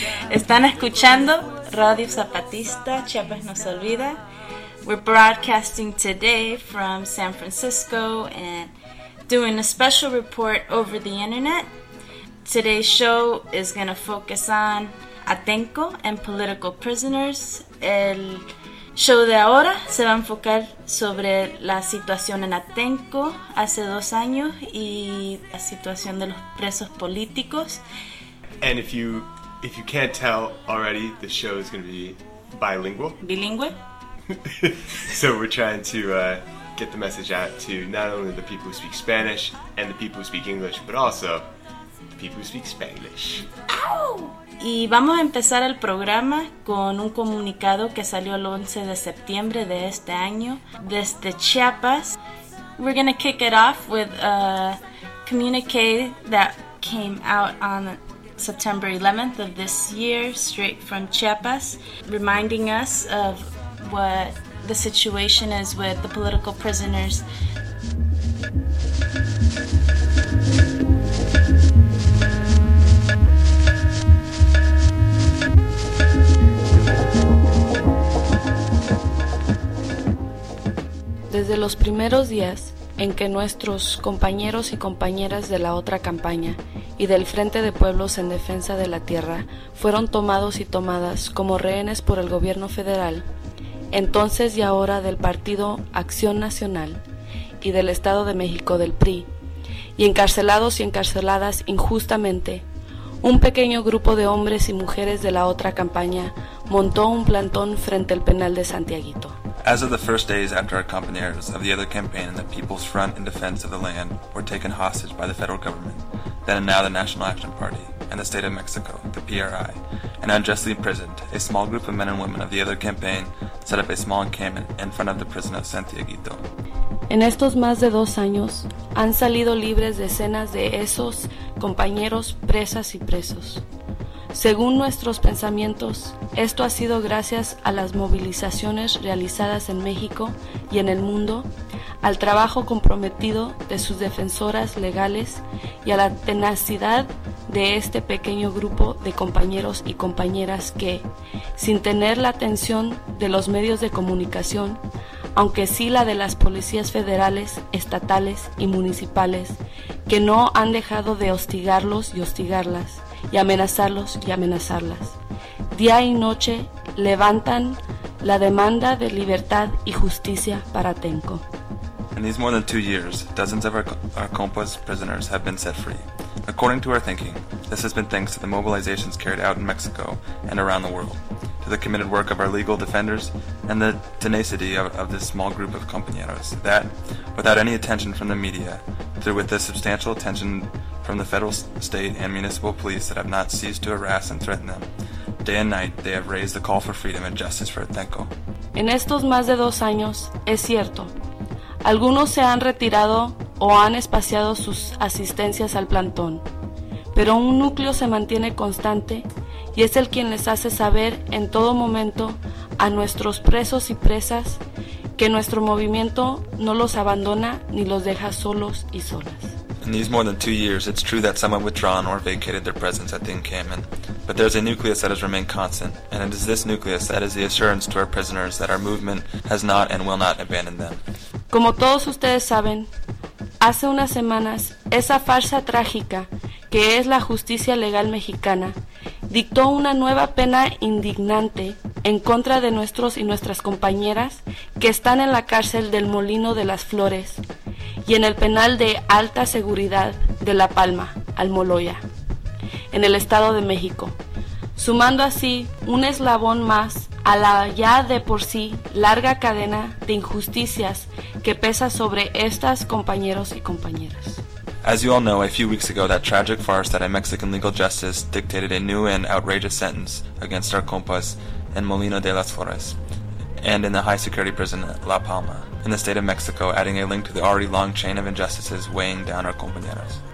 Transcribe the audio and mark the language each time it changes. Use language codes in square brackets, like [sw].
[es] Están escuchando Radio Zapatista, Chiapas No Se Olvida. [en] We're broadcasting today from San Francisco and doing a special report over the internet. Today's show is going to focus on Atenco and political prisoners. [es] El show de ahora se va a enfocar sobre la situación en Atenco hace dos años y la situación de los presos políticos. [en] And if you can't tell already, the show is going to be bilingual. [es] Bilingüe. [en] So we're trying to get the message out to not only the people who speak Spanish and the people who speak English, but also the people who speak Spanglish. ¡Au! [es] Y vamos a empezar el programa con un comunicado que salió el 11 de septiembre de este año desde Chiapas. [en] We're going to kick it off with a communique that came out on September 11th of this year, straight from Chiapas, reminding us of what the situation is with the political prisoners. [es] Desde los primeros días en que nuestros compañeros y compañeras de la otra campaña y del Frente de Pueblos en Defensa de la Tierra fueron tomados y tomadas como rehenes por el gobierno federal, entonces y ahora del Partido Acción Nacional y del Estado de México del PRI, y encarcelados y encarceladas injustamente, un pequeño grupo de hombres y mujeres de la otra campaña montó un plantón frente al penal de Santiaguito. [en] As of the first days after our companeros of the other campaign and the People's Front in Defense of the Land were taken hostage by the federal government, then and now the National Action Party, and the State of Mexico, the PRI, and unjustly imprisoned, a small group of men and women of the other campaign set up a small encampment in front of the prison of Santiaguito. [es] En estos más de dos años, han salido libres decenas de esos compañeros presas y presos. Según nuestros pensamientos, esto ha sido gracias a las movilizaciones realizadas en México y en el mundo, al trabajo comprometido de sus defensoras legales y a la tenacidad de este pequeño grupo de compañeros y compañeras que, sin tener la atención de los medios de comunicación, aunque sí la de las policías federales, estatales y municipales, que no han dejado de hostigarlos y hostigarlas, y amenazarlos y amenazarlas. Día y noche levantan la demanda de libertad y justicia para Atenco. [en] In these more than 2 years, dozens of our compas prisoners have been set free. According to our thinking, this has been thanks to the mobilizations carried out in Mexico and around the world, to the committed work of our legal defenders, and the tenacity of this small group of compañeros that, without any attention from the media, through with the substantial attention from the federal, state, and municipal police that have not ceased to harass and threaten them, day and night they have raised the call for freedom and justice for Atenco. [es] En estos más de dos años, es cierto, algunos se han retirado o han espaciado sus asistencias al plantón, pero un núcleo se mantiene constante y es el quien les hace saber en todo momento a nuestros presos y presas que nuestro movimiento no los abandona ni los deja solos y solas. [en] In these more than 2 years, it's true that some have withdrawn or vacated their presence at the encampment, but there's a nucleus that has remained constant, and it is this nucleus that is the assurance to our prisoners that our movement has not and will not abandon them. [es] Como todos ustedes saben, hace unas semanas, esa farsa trágica que es la justicia legal mexicana dictó una nueva pena indignante en contra de nuestros y nuestras compañeras que están en la cárcel del Molino de las Flores y en el penal de alta seguridad de La Palma, Almoloya, en el Estado de México. sumando así un eslabón más a la ya de por sí larga cadena de injusticias que pesa sobre estas compañeros y compañeras. [en] As you all know, a few weeks ago, that tragic farce that a Mexican legal justice dictated a new and outrageous sentence against our compas in Molino de las Flores and in the high-security prison La Palma in the state of Mexico, adding a link to the already long chain of injustices weighing down our compañeros.